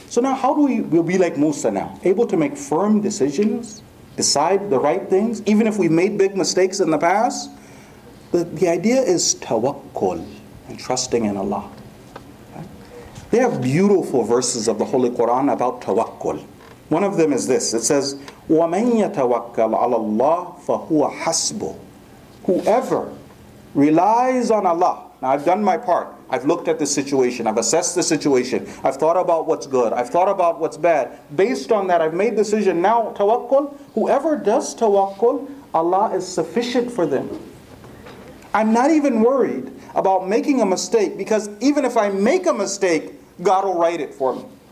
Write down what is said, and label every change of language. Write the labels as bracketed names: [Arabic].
[English] So now, how do we'll be like Musa now, able to make firm decisions, decide the right things, even if we've made big mistakes in the past? The idea is tawakkul. and trusting in Allah. Okay? They have beautiful verses of the Holy Quran about tawakkul. One of them is this. It says, [Arabic] وَمَنْ يَتَوَكَّلْ عَلَى اللَّهِ فَهُوَ حَسْبُهُ. [English] Whoever relies on Allah. Now, I've done my part. I've looked at the situation. I've assessed the situation. I've thought about what's good. I've thought about what's bad. Based on that, I've made decision. Now, tawakkul, whoever does tawakkul, Allah is sufficient for them. I'm not even worried about making a mistake, because even if I make a mistake, God will write it for me.